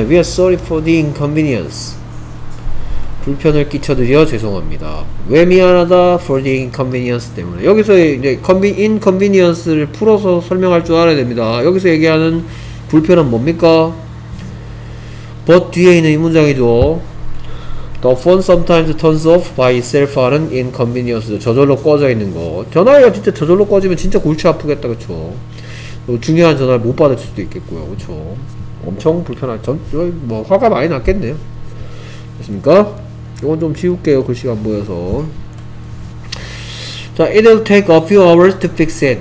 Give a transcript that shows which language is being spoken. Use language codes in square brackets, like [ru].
[en] We are sorry for the inconvenience. [ko] 불편을 끼쳐드려 죄송합니다. 왜 미안하다? [en] For the inconvenience [ko] 때문에. 여기서 이제 inconvenience를 풀어서 설명할 줄 알아야 됩니다. 여기서 얘기하는 불편은 뭡니까? But 뒤에 있는 이 문장이죠. [en] The phone sometimes turns off by itself 하는 inconvenience. [ko] 저절로 꺼져 있는 거. 전화기가 진짜 저절로 꺼지면 진짜 골치 아프겠다, 그쵸? 중요한 전화를 못 받을 수도 있겠고요, 그쵸? 엄청 불편한, 뭐, 화가 많이 났겠네요. 됐습니까? 이건 좀 지울게요, 글씨가 안 보여서. [en] 자, it'll take a few hours to fix it.